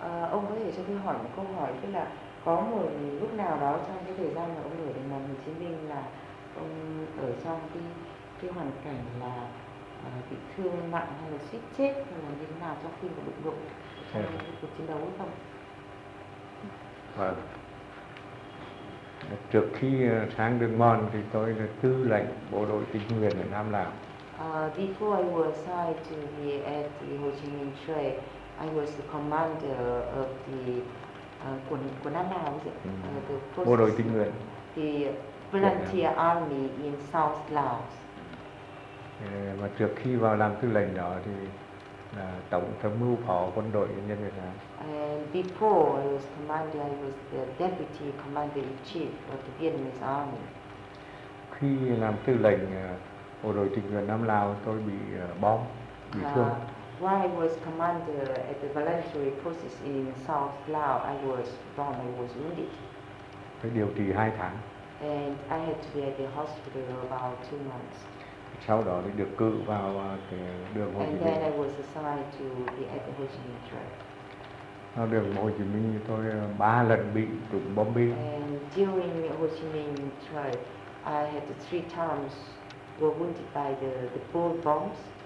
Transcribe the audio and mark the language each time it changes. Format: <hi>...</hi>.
<vi>Ông có thể cho tôi hỏi một câu hỏi, tức là có một lúc nào đó trong cái thời gian mà ông ở đồng bằng Hồ Chí Minh là ông ở trong cái hoàn cảnh là bị thương nặng hay là suýt chết hay là như thế nào trong khi mà bị đụng cuộc chiến đấu không? Vâng. Trước khi sang đường mòn thì tôi là tư lệnh bộ đội tình nguyện ở Nam Lào.</vi> <en>Before I was assigned to be at the Ho Chi Minh Trail, I was the commander of the</en> <vi>của Nam Lào, bộ đội tình nguyện.</vi> <en>The Volunteer Army in South Laos.</en> <vi>Mà trước khi vào làm tư lệnh đó thì tổng tham mưu phó quân đội nhân dân Việt Nam.</vi> <en>Before I was commander, I was the deputy commander in chief of the Vietnamese Army.</en> <vi>Khi làm tư lệnh bộ đội tình nguyện Nam Lào, tôi bị bom, bị thương.</vi> <en>While I was commander at the voluntary forces in South Laos, I was bombed, I was wounded.</en> <vi>Phải điều trị 2 tháng.</vi> <en>And I had to be at the hospital about 2 months.</en> <vi>Sau đó thì được cử vào cái đường Hồ Chí Minh.</vi> <en>And then I was assigned to be at the Ho Chi Minh Trail.</en> <vi>Ở đường Hồ Chí Minh tôi 3 lần bị trúng bom bi.</vi> <en>And during the Ho Chi Minh Trail, I had 3 times were wounded by the bull bombs.</en>